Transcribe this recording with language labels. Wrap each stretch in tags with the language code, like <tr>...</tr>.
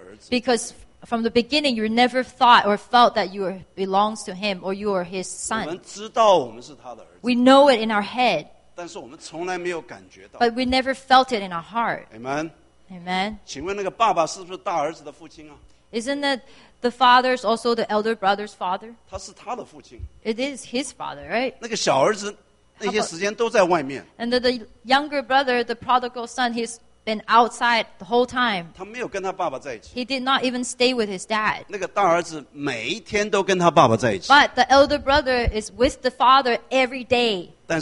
<en>Because from the beginning, you never thought or felt that you belongs to Him or you are His Son. We know it in our head, but we never felt it in our heart. Amen. Amen.</en> <zh>请问那个爸爸是不是大儿子的父亲啊?</zh> <en>Isn't that the father is also the elder brother's father?</en> <zh>他是他的父亲.</zh> <en>It is his father, right?</en> <zh>那个小儿子, about,</zh> <en>and the younger brother, the prodigal son, he's been outside the whole time. He did not even stay with his dad. But the elder brother is with the father every day.</en>